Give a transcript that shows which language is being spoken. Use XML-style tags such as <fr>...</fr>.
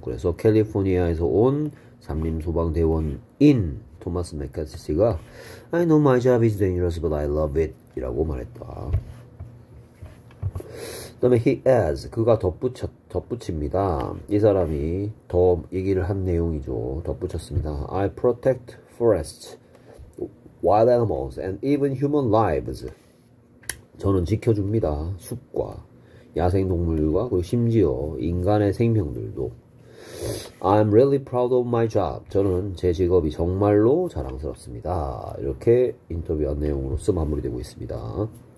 <ko>그래서 캘리포니아에서 온 산림 소방대원인 토머스 맥카티가</ko> <en>I know my job is dangerous, but I love it.</en> <ko>이라고 말했다. 그다음에</ko> <en>he adds</en> <ko>그가 덧붙입니다. 이 사람이 더 얘기를 한 내용이죠. 덧붙였습니다.</ko> <en>I protect forests, wild animals, and even human lives.</en> <ko>저는 지켜줍니다. 숲과 야생 동물과 그리고 심지어 인간의 생명들도.</ko> <en>I'm really proud of my job.</en> <ko>저는 제 직업이 정말로 자랑스럽습니다. 이렇게 인터뷰한 내용으로서 마무리되고 있습니다.</ko>